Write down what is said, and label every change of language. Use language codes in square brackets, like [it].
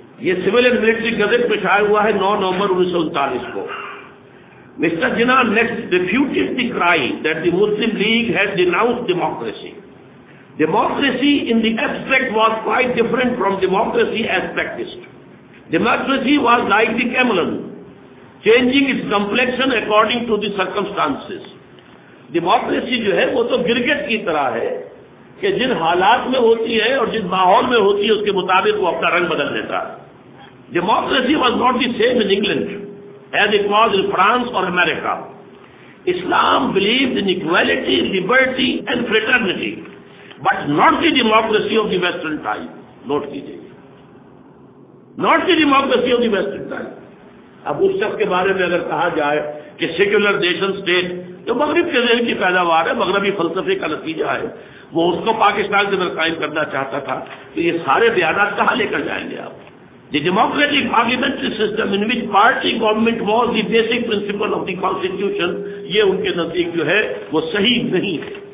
[ur] یہ civil and military gazette میں شائع ہوا ہے 9 نومبر 1939 کو. [en] Mister Jinnah next refuted the cry that the Muslim League had denounced democracy. Democracy in the abstract was quite different from democracy as practised. Democracy was like the camelon, changing its complexion according to the circumstances. [ur] Democracy جو ہے وہ تو گرگٹ کی طرح ہے کہ جن حالات میں ہوتی ہے اور جن ماحول میں ہوتی ہے اس کے مطابق وہ اپنا رنگ بدل لیتا ہے. [en] Democracy was not the same in England as it was in France or America. Islam believed in equality, liberty and fraternity, but not the democracy of the Western type. Note کیجیے، not the democracy of the western time. [ur] اب اس شخص کے بارے میں اگر کہا جائے کہ سیکولر نیشن اسٹیٹ جو مغرب کے ذہن کی پیداوار ہے، مغربی فلسفے کا نتیجہ ہے، وہ اس کو پاکستان کے اندر قائم کرنا چاہتا تھا، تو یہ سارے بیانات کہاں لے کر جائیں گے آپ؟ [en] the democratic parliamentary system in which party government was the basic principle of the constitution, [ur] یہ ان کے نزدیک جو ہے وہ صحیح نہیں ہے.